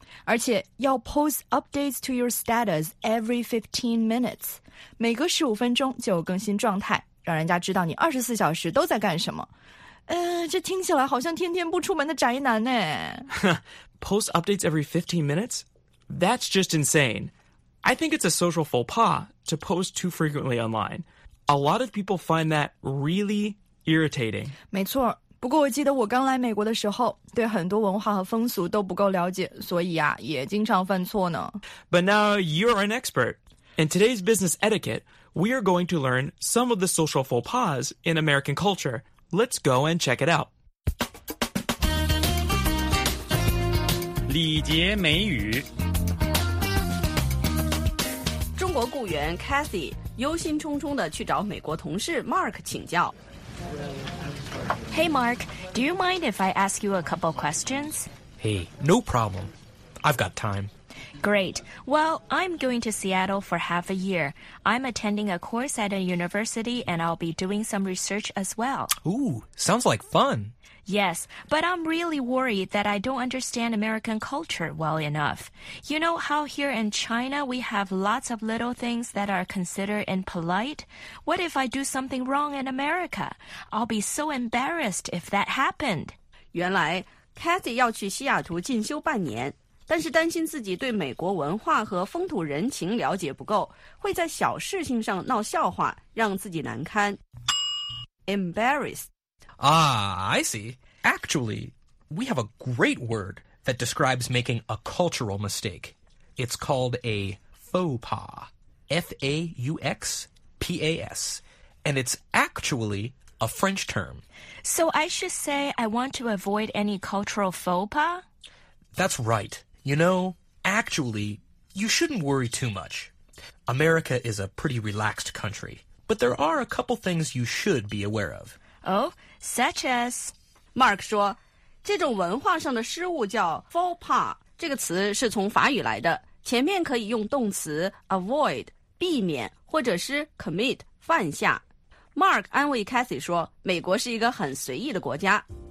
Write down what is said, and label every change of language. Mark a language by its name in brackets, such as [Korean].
[Chinese] 而且要 [English] post updates to your status every 15 minutes, [Chinese] 每隔15分钟就更新状态，让人家知道你24小时都在干什么。这听起来好像天天不出门的宅男呢。 [English] Post updates every 15 minutes? That's just insane. I think it's a social faux pas to post too frequently online. A lot of people find that really... irritating. [Chinese] 没错，不过我记得我刚来美国的时候，对很多文化和风俗都不够了解，所以啊，也经常犯错呢。 [English] But now you're an expert. In today's business etiquette, we are going to learn some of the social faux pas in American culture. Let's go and check it out. [Chinese] 礼节美语。中国雇员 Cathy 忧心忡忡地去找美国同事 Mark 请教。 [English] Hey, Mark, do you mind if I ask you a couple questions? Hey, no problem. I've got time. Great. Well, I'm going to Seattle for half a year. I'm attending a course at a university, and I'll be doing some research as well. Ooh, sounds like fun. Yes, but I'm really worried that I don't understand American culture well enough. You know how here in China we have lots of little things that are considered impolite? What if I do something wrong in America? I'll be so embarrassed if that happened. [Chinese] 原来 Cathy 要去西雅图进修半年，但是担心自己对美国文化和风土人情了解不够，会在小事情上闹笑话，让自己难堪。 [English] Embarrassed. Ah, I see. Actually, we have a great word that describes making a cultural mistake. It's called a faux pas. F-A-U-X-P-A-S. And it's actually a French term. So I should say I want to avoid any cultural faux pas? That's right. You know, actually, you shouldn't worry too much. America is a pretty relaxed country, but there are a couple things you should be aware of. Oh, such as... [Chinese] Mark 说，这种文化上的失误叫 faux pas， 这个词是从法语来的，前面可以用动词 avoid， 避免，或者是 commit， 犯下。 Mark 安慰 Cathy 说，美国是一个很随意的国家。